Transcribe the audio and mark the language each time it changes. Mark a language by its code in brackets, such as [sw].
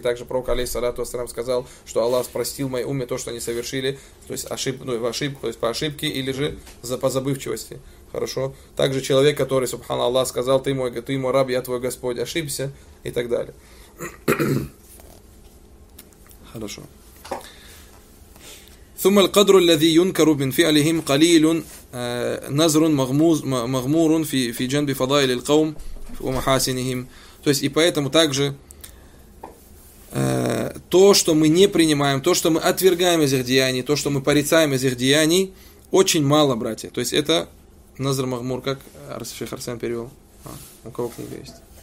[ru] Также пророк алейхиссалату вассалям сказал, что Аллах простил моей умме то, что они совершили, то есть по ошибке или же по забывчивости. Хорошо. Также человек, который, субхана Аллах, сказал: ты мой раб, я твой Господь, ошибся и так далее. Хорошо. [ar] ثم القدر الذي ينكر من فعلهم قليل نذر مغمور في جنب فضائل القوم ومحاسنهم. [ru] То есть и поэтому также то, что мы не принимаем, то, что мы отвергаем из их деяний, то, что мы порицаем из их деяний, очень мало, братья. То есть это назр магмур, как Шейх Арсен перевел. А, у кого книга есть?